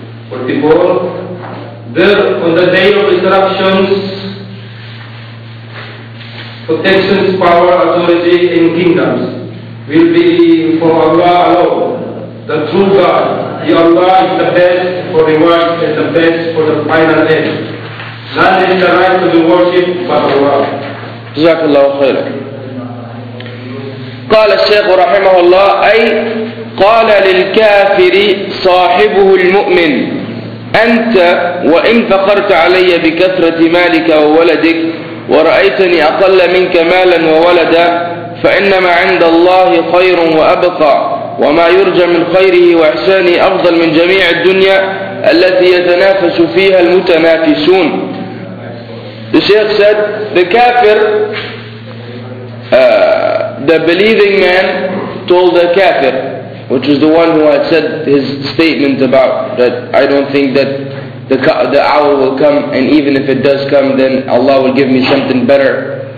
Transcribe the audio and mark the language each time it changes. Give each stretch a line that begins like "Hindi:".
English: 44. There on the day of disruptions, protections, power, authority in kingdoms will be for Allah alone, the true God. The Allah is the best for rewards and the best for the final end. None is the right to be worshipped but Allah. Jazakallahu khairan.
Arabic: قال الشيخ رحمه الله أي قال للكافر صاحبه المؤمن أنت وإن فقرت علي بكثرة مالك وولدك ورأيتني أقل منك مالا وولدا فإنما عند الله خير وأبقى وما يرجى من خيره وإحسانه أفضل من جميع الدنيا التي يتنافس فيها المتنافسون.
English: The Sheikh said, the kafir, the believing man told the kafir, which is the one who had said his statement about that I don't think that the hour will come, and even if it does come, then Allah will give me something better.